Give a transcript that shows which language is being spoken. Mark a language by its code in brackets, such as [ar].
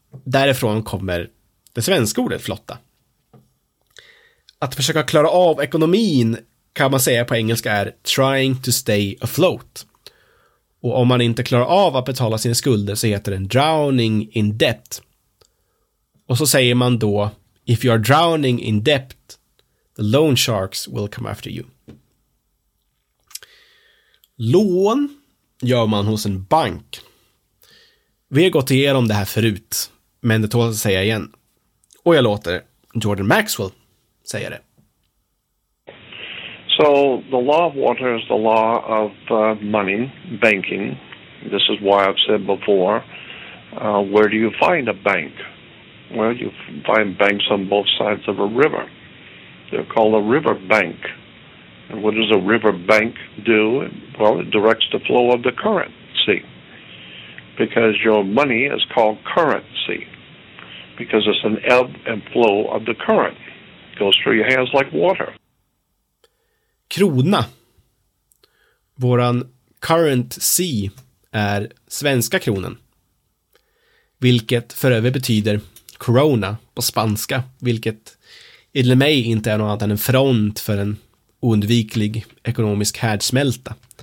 [sv] Därifrån kommer det svenska ordet flotta. Att försöka klara av ekonomin kan man säga på engelska är [en] trying to stay afloat. [sv] Och om man inte klarar av att betala sina skulder så heter det [en] drowning in debt. [sv] Och så säger man då, [en] if you are drowning in debt, the loan sharks will come after you. [sv] Lån gör man hos en bank. Vi har gått igenom det här förut, men det tål att säga igen. Och jag låter Jordan Maxwell säga det. [en] So the law of water is the law of money, banking. This is why I've said before, where do you find a bank? Well, you find banks on both sides of a river. They're called a river bank. And what does a river bank do? Well, it directs the flow of the currency. Because your money is called currency. Because it's an ebb and flow of the current. It goes through your hands like water. [sv] Krona. Våran currency är svenska kronan. Vilket för övrigt betyder corona på spanska. Vilket enligt mig inte är något annat än en front för en oundviklig ekonomisk härdsmälta.